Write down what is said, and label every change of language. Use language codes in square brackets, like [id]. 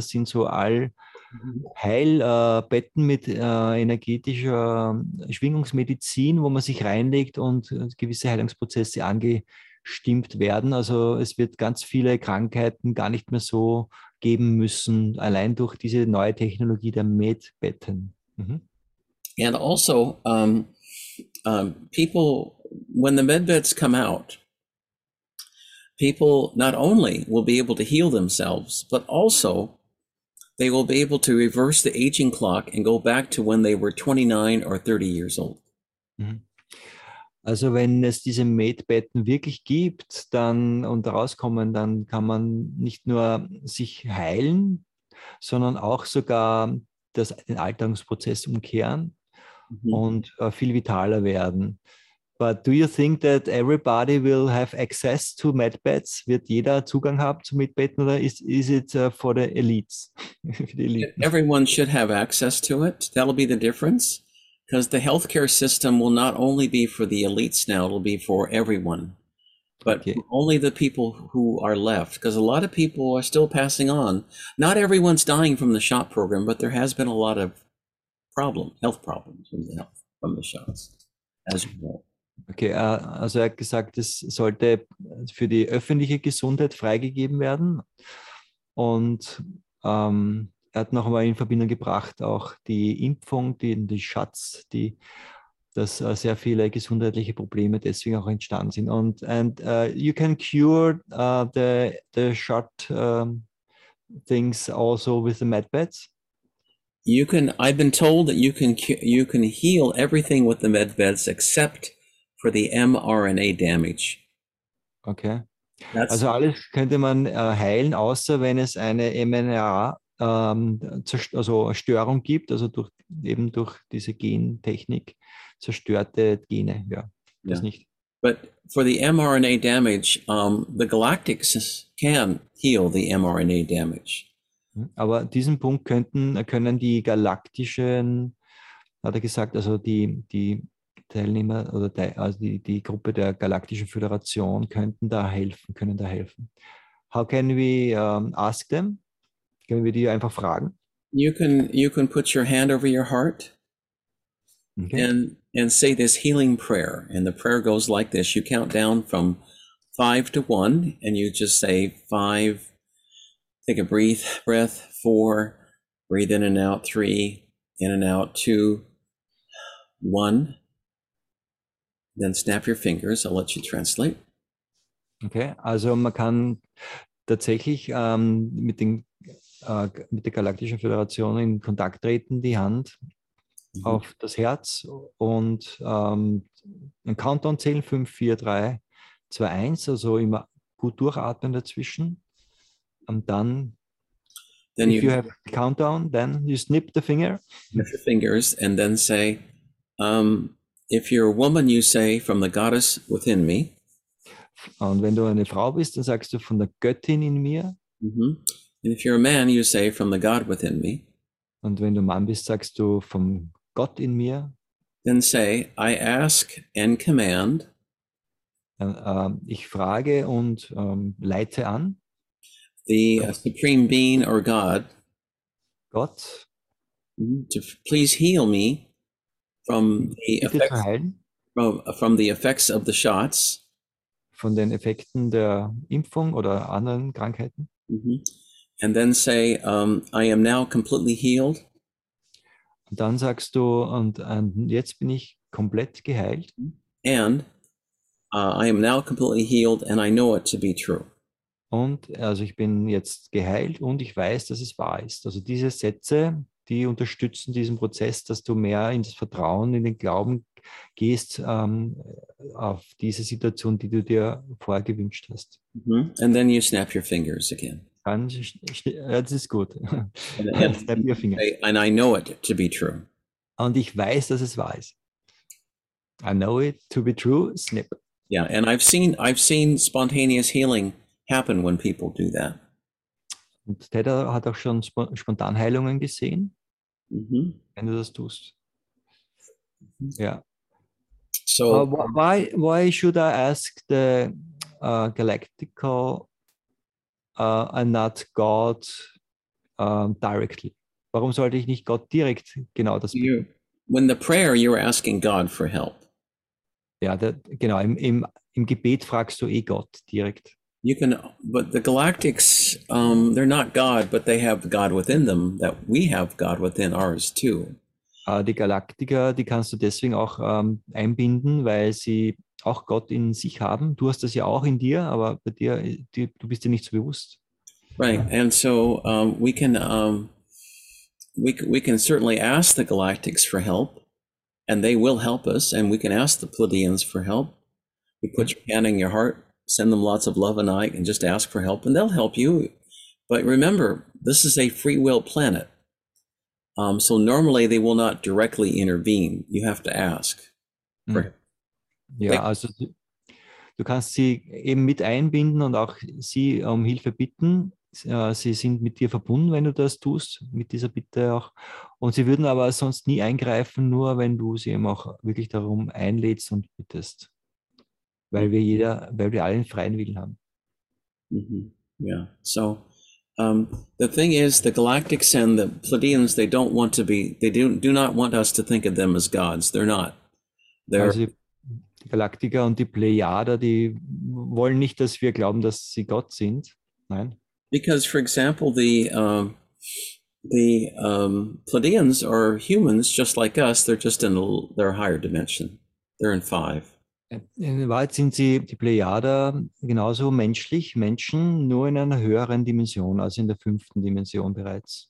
[de] Das sind so Allheilbetten mit energetischer Schwingungsmedizin, wo man sich reinlegt und gewisse Heilungsprozesse angestimmt werden. Also es wird ganz viele Krankheiten gar nicht mehr so geben müssen, allein durch diese neue Technologie der Medbetten. Mhm. [en] And also people, when the med beds come out, people not only will be able to heal themselves, but also they will be able to reverse the aging clock and go back to when they were 29 or 30 years old. [de] Also wenn es diese Medbetten wirklich gibt, dann und rauskommen, dann kann man nicht nur sich heilen, sondern auch sogar den Alterungsprozess umkehren. Mm-hmm. Und viel vitaler werden. [en] But do you think that everybody will have access to medbeds? [de] Wird jeder Zugang haben zu Medbetten, oder [en] is it for the elites? For the elite? Everyone should have access to it. That'll be the difference. Because the healthcare system will not only be for the elites now, it'll be for everyone. But okay. Only the people who are left. Because a lot of people are still passing on. Not everyone's dying from the SHOT program, but there has been a lot of health problems from the shots. [de] Okay, also er hat gesagt, es sollte für die öffentliche Gesundheit freigegeben werden. Und er hat nochmal in Verbindung gebracht, auch die Impfung, die Shots, dass sehr viele gesundheitliche Probleme deswegen auch entstanden sind. Und [en] you can cure the shot things also with the medbeds. I've been told that you can heal everything with the medbeds except for the mRNA damage. Okay. [de] Also alles könnte man heilen, außer wenn es eine mRNA also Störung gibt, also durch diese Gentechnik zerstörte Gene, ja. [en] Yeah. [de] Das nicht. [en] But for the mRNA damage, the Galactics can heal the mRNA damage. [de] Aber diesen Punkt können die galaktischen, hat er gesagt, also die Teilnehmer oder die Gruppe der Galaktischen Föderation können da helfen. [en] How can we ask them? [de] Können wir die einfach fragen? [en] You can put your hand over your heart. Okay. and say this healing prayer. And the prayer goes like this. You count down from 5 to 1 and you just say 5. Take a breath, 4, breathe in and out, 3, in and out, 2, 1. Then snap your fingers, I'll let you translate. [de] Okay, also man kann tatsächlich mit der Galaktischen Föderation in Kontakt treten, die Hand auf das Herz und einen Countdown zählen, 5, 4, 3, 2, 1, also immer gut durchatmen dazwischen. [en] And then if you have a countdown, then you snip the finger. Snip your fingers and then say, if you're a woman, you say, from the goddess within me. [de] Und wenn du eine Frau bist, dann sagst du, von der Göttin in mir. Mm-hmm. [en] And if you're a man, you say, from the God within me. [de] Und wenn du Mann bist, sagst du, vom Gott in mir. [en] Then say, I ask and command. [de] Ich frage und leite an. [en] The supreme being or God. [de] Gott. [en] To please heal me from the effects, from the effects of the shots. [de] Von den Effekten der Impfung oder anderen Krankheiten. Mm-hmm. [en] And then say, I am now completely healed. [de] Und dann sagst du, und jetzt bin ich komplett geheilt. [en] And I am now completely healed and I know it to be true. [de] Und also ich bin jetzt geheilt und ich weiß, dass es wahr ist. Also diese Sätze, die unterstützen diesen Prozess, dass du mehr in das Vertrauen, in den Glauben gehst, auf diese Situation, die du dir vorher gewünscht hast. [en] Mm-hmm. And then you snap your fingers again. [de] Dann, das ist gut. [en] And, snap your fingers. And I know it to be true. [de] Und ich weiß, dass es wahr ist. [en] I know it to be true. Snip. Yeah, and I've seen spontaneous healing happen when people do that. [de] Und Ted hat auch schon Spontanheilungen gesehen, mm-hmm. wenn du das tust. [en] Yeah. So why should I ask the galactical and not God directly? [de] Warum sollte ich nicht Gott direkt genau das [en] you, when the prayer you're asking God for help. [de] Ja, [en] yeah, [de] genau, im Gebet fragst du eh Gott direkt. [en] You can, but the galactics, they're not God, but they have God within them, that we have God within ours too. [de] Die Galaktiker, die kannst du deswegen auch einbinden, weil sie auch Gott in sich haben. Du hast das ja auch in dir, aber bei dir, du bist dir nicht so bewusst. [en] Right, and so we can certainly ask the Galactics for help, and they will help us, and we can ask the Pleiadians for help. You put your hand in your heart, send them lots of love and light, and just ask for help, and they'll help you. But remember, this is a free will planet. So normally they will not directly intervene. You have to ask. [de] Ja, also du kannst sie eben mit einbinden und auch sie um Hilfe bitten. Sie sind mit dir verbunden, wenn du das tust, mit dieser Bitte auch. Und sie würden aber sonst nie eingreifen, nur wenn du sie eben auch wirklich darum einlädst und bittest. Weil wir alle einen freien Willen haben. [en] Mm-hmm. Yeah, so... the thing is, the Galactics and the Pleiadians, they don't want to be, they do not want us to think of them as gods. They're not. [de] They're, also, die Galaktiker und die Plejader, die wollen nicht, dass wir glauben, dass sie Gott sind. Nein. [en] Because, for example, the Pleiadians are humans just like us. They're just in their higher dimension. They're in five. [de] In Wahrheit sind sie, die Plejader, genauso menschlich, Menschen, nur in einer höheren Dimension, also in der fünften Dimension bereits.